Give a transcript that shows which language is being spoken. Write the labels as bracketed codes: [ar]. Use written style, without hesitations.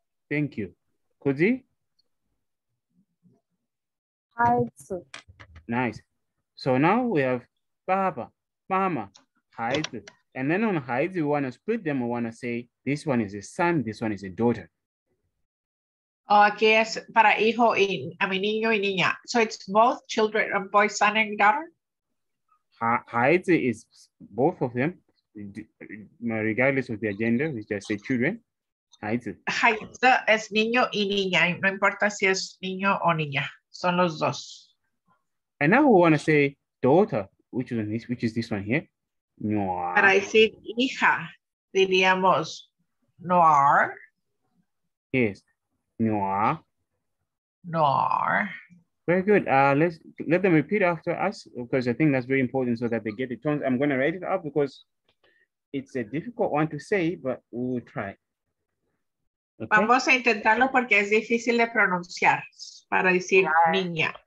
[en] Thank you. Kuzi? [zh] Haizo. [en] Nice. So now we have Baba, Mama, Haizo. And then on Haizo, we want to split them. We want to say, this one is a son, this one is a daughter. [es] Oh, aquí es para hijo y, niño y niña. [en] So it's both children, a boy, son, and daughter? Haizi is both of them, regardless of their gender, we just say children. Haizi. [es] Haizi es niño y niña, no importa si es niño o niña, son los dos. [en] And now we want to say daughter, which is this one here? [zh] Noir. [es] Para decir hija, diríamos noir. [en] Yes. Noir. [zh] Noir. [en] Very good. Let's let them repeat after us because I think that's very important so that they get the tones. I'm going to write it up because it's a difficult one to say, but we will try. Okay? [es] Vamos a intentarlo porque es difícil de pronunciar para decir niña.